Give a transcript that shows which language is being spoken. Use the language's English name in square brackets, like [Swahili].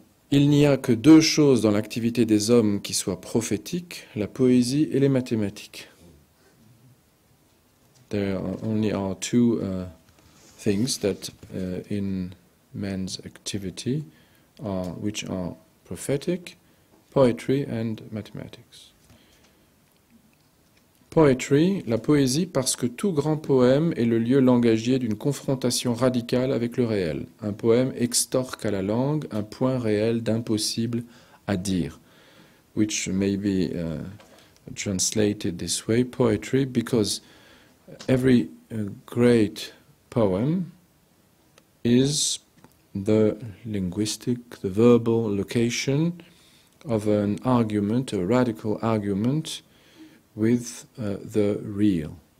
[French] Il n'y a que deux choses dans l'activité des hommes qui soient prophétiques, la poésie et les mathématiques. [English] There only are two things that in man's activity are which are prophetic: poetry and mathematics. [French] Poetry, la poésie, parce que tout grand poème est le lieu langagier d'une confrontation radicale avec le réel. Un poème extorque à la langue un point réel d'impossible à dire. [English] Which may be translated this way: poetry, because every great poem is the linguistic, the verbal location of an argument, a radical argument, with the real.